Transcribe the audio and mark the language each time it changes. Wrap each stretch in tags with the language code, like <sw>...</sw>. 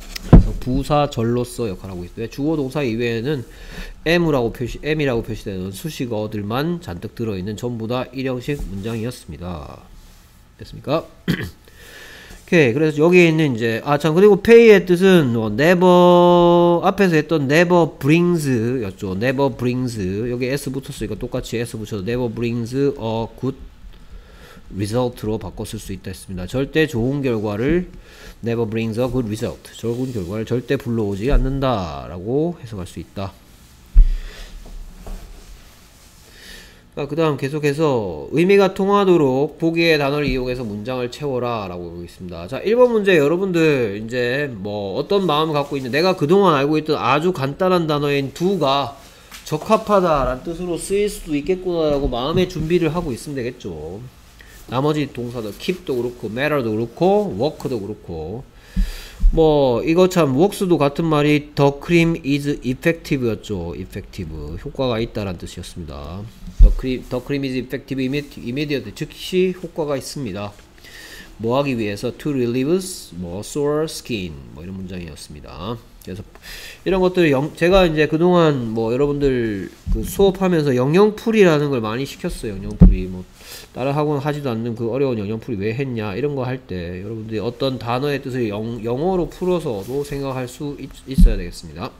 <ko>그래서 부사절로서 역할하고 있어요. 주어 동사 이외에는 m이라고 표시, m이라고 표시되는 수식어들만 잔뜩 들어 있는 전부 다 일형식 문장이었습니다. 됐습니까? 오케이. 그래서 여기 있는 이제 아 참 그리고 pay의 뜻은 뭐 never, 앞에서 했던 never brings 였죠. never brings. 여기 s 붙었으니까 똑같이 s 붙여서</ko> <en>never brings a good result</en> <ko>로 바꿔 쓸 수 있다 했습니다. 절대 좋은 결과를</ko> <en>never brings a good result.</en> <ko>좋은 결과를 절대 불러오지 않는다 라고 해석할 수 있다. 아, 그 다음 계속해서 의미가 통하도록 보기의 단어를 이용해서 문장을 채워라 라고 여기 있습니다. 자, 1번 문제 여러분들 이제 뭐 어떤 마음을 갖고 있는, 내가 그동안 알고 있던 아주 간단한 단어인 두가 적합하다 라는 뜻으로 쓰일 수도 있겠구나 라고 마음의 준비를 하고 있으면 되겠죠. 나머지 동사도 keep도 그렇고 matter도 그렇고 work도 그렇고 뭐 이거 참 works도 같은 말이</ko> <en>the cream is effective</en> <ko>였죠. effective 효과가 있다 라는 뜻이었습니다.</ko> <en>The cream is effective immediate</en> <ko>즉시 효과가 있습니다. 뭐 하기 위해서</ko> <en>to relieve sore skin</en> <ko>뭐 이런 문장이었습니다. 그래서 이런 것들을 제가 이제 그동안 뭐 여러분들 그 수업하면서 영영풀이라는 걸 많이 시켰어요. 영영풀이 뭐 다른 학원 하지도 않는 그 어려운 영영풀이 왜 했냐 이런 거 할 때 여러분들이 어떤 단어의 뜻을 영어로 풀어서도 생각할 수 있어야 되겠습니다.</ko>